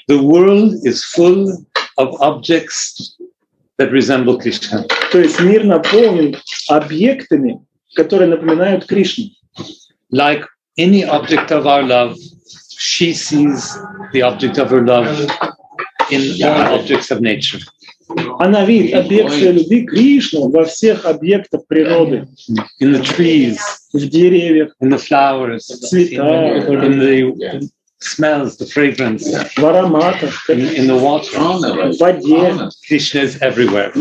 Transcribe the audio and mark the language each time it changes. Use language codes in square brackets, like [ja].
[en] the world is full of objects that resemble Krishna. [ru] То есть мир наполнен объектами, которые напоминают Кришну. [en] Like any object of our love, she sees the object of her love in all objects of nature. [ru] Она видит объект своей любви Кришну во всех объектах природы. [en] In the trees, [ru] в деревьях, [en] in the flowers, [ru] в цветах, [en] in the smells, the fragrance, [ru] в ароматах, [en] in the water, [ru] в воде. [en] Krishna is everywhere.